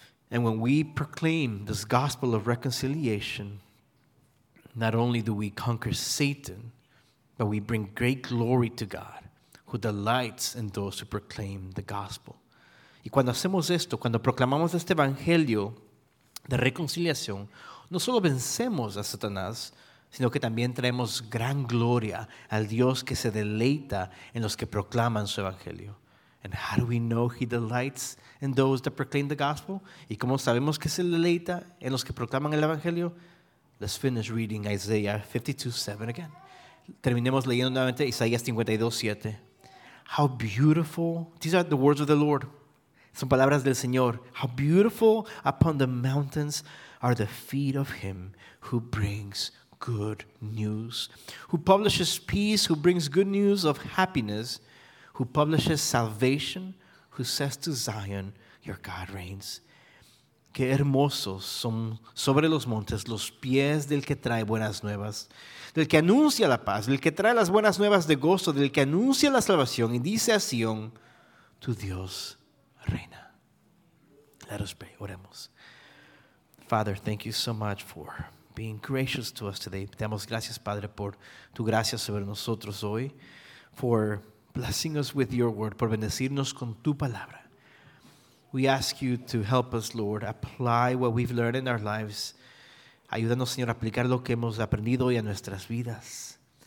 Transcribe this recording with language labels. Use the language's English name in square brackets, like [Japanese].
[English] And when we proclaim this gospel of reconciliation, not only do we conquer Satan, but we bring great glory to God, who delights in those who proclaim the gospel. [Spanish] Y cuando hacemos esto, cuando proclamamos este evangelio de reconciliación, no solo vencemos a Satanás, sino que también traemos gran gloria al Dios que se deleita en los que proclaman su evangelio. [English] And how do we know He delights in those that proclaim the gospel? [Spanish] ¿Y cómo sabemos que se deleita en los que proclaman el evangelio? [English] Let's finish reading Isaiah 52:7 again. [Spanish] Terminemos leyendo nuevamente Isaías 52:7. [English] How beautiful, these are the words of the Lord. [Spanish] Son palabras del Señor. [English] How beautiful upon the mountains are the feet of Him who brings good news, who publishes peace, who brings good news of happiness, who publishes salvation, who says to Zion, your God reigns. [Spanish] Qué hermosos son sobre los montes los pies del que trae buenas nuevas, del que anuncia la paz, del que trae las buenas nuevas de gozo, del que anuncia la salvación y dice a Sion, tu Dios reina. [English] Let us pray. [Spanish] Oremos. [English] Father, thank you so much for being gracious to us today. [Spanish] Te damos gracias, Padre, por tu gracia sobre nosotros hoy, [English] for blessing us with your word, [Spanish] por bendecirnos con tu palabra. [English] We ask you to help us, Lord, apply what we've learned in our lives. [Spanish] Ayúdanos, Señor, a aplicar lo que hemos aprendido hoy a nuestras vidas.